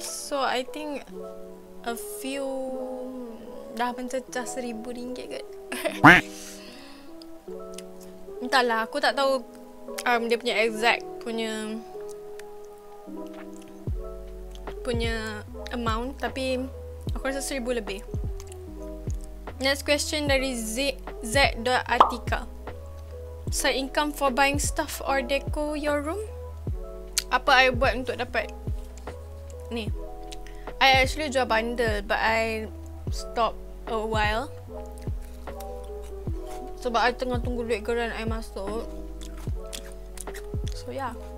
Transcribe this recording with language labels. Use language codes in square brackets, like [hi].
[en] So I think a few [ms] dah mencecah RM1,000 kot. Entahlah, aku tak tahu dia punya exact punya amount, tapi aku rasa 1,000 lebih. [en] Next question dari Z.Atika. Side income for buying stuff or deco your room? [ms] Apa I buat untuk dapat ni? [en] I actually [ms] jual bundle [en] but I stop a while [ms] sebab I tengah tunggu duit geran I masuk. [en] So yeah.